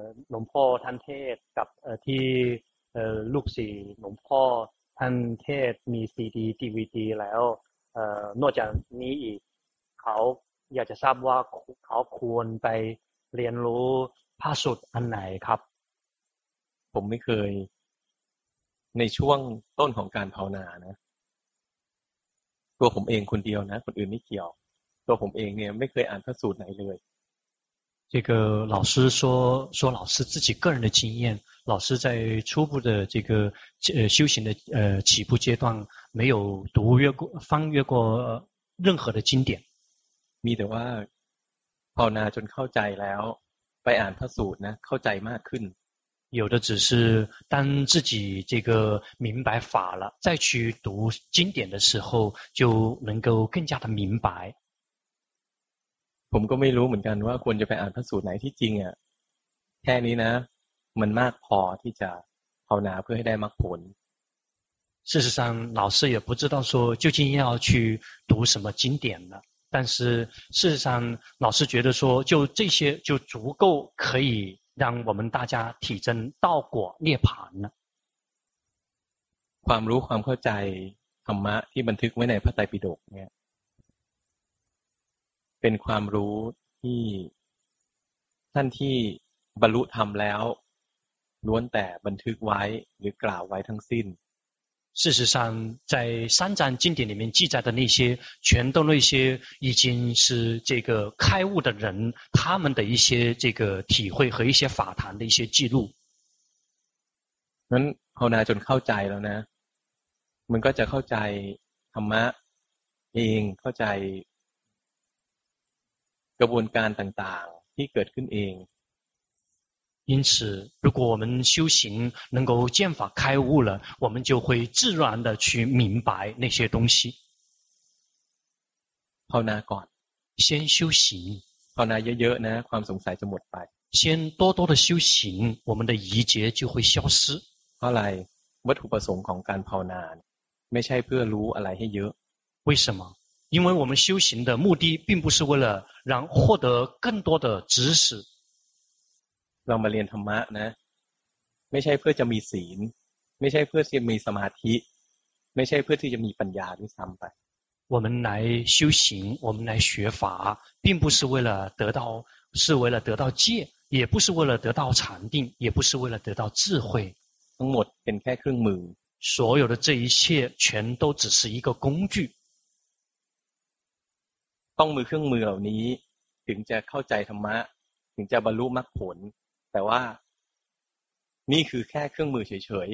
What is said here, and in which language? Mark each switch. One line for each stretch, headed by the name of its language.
Thai: หลวงพ่อท่านเทศกับที่ลูกศิษย์หลวงพ่อท่านเทศมีซีดีดีวีดีแล้วนอกจากนี้อีกเขาอยากจะทราบว่าเขาควรไปเรียนรู้พระสูตรอันไหนครับ ผมไม่เคยในช่วงต้นของการภาวนานะตัวผมเองคนเดียวนะคนอื่นไม่เกี่ยวตัวผมเองเนี่ยไม่เคยอ่านพระสูตรไหนเลย
Chinese: 这个老师说老师自己个人的经验老师在初步的这个修行的起步阶段没有读阅过翻阅过任何的经典
Thai: มีแต่ว่าภาวนาจนเข้าใจแล้วไปอ่านพระสูตรนะเข้าใจมากขึ้น
Chinese: 有的只是当自己这个明白法了再去读经典的时候就能够更加的明白
Thai: ผมก็ไม่รู้เหมือนกันว่าควรจะไปอ่านพระสูตรไหนที่จริงอ่ะแค่นี้นะมันมากพอที่จะภาวนาเพื่อให้ได้มรรคผล
Chinese: 事实上老师也不知道说究竟要去读什么经典了但是事实上老师觉得说就这些就足够可以让我们大家体证道果涅槃呢
Thai: ความรู้ความเข้าใจธรรมะที่บันทึกไว้ในพระไตรปิฎกเนี่ยเป็นความรู้ที่ท่านที่บรรลุธรรมแล้วล้วนแต่บันทึกไว้หรือกล่าวไว้ทั้งสิ้น
Chinese: 事实上在三藏经典里面记载的那些全都那些已经是这个开悟的人他们的一些这个体会和一些法谈的一些记录
Thai: นั้นภาวนาจนเข้าใจแล้วนะมันก็จะเข้าใจธรรมะเองเข้าใจกระบวนการต่างๆที่เกิดขึ้นเอง
Chinese: 因此如果我们修行能够见法开悟了我们就会自然的去明白那些东西
Thai: ภาวนาก่อน
Chinese: 先修行
Thai: ภาวนาเยอะๆนะความสงสัยจะหมดไป
Chinese: 先多多的修行我们的疑结就会消失
Thai: เพราะอะไรวัตถุประสงค์ของการภาวนาไม่ใช่เพื่อรู้อะไรให้เยอะ
Chinese: 为什么因为我们修行的目的并不是为了让获得更多的知识
Thai: เรามาเรียนธรรมะนะไม่ใช่เพื่อจะมีศีลไม่ใช่เพื่อจะมีสมาธิไม่ใช่เพื่อที่จะมีปัญญาด้วยซ้ำไป
Chinese: 我们来修行我们来学法并不是为了得到是为了得到戒也不是为了得到禅定也不是为了得到智慧
Thai: ทั้งหมดเป็นแค่เครื่องมือ
Chinese: 所有的这一切全都只是一个工具
Thai: ต้องมีเครื่องมือเหล่านี้ถึงจะเข้าใจธรรมะถึงจะบรรลุมรรคผลแต่ว่านี่คือแค่เครื่องมือเฉย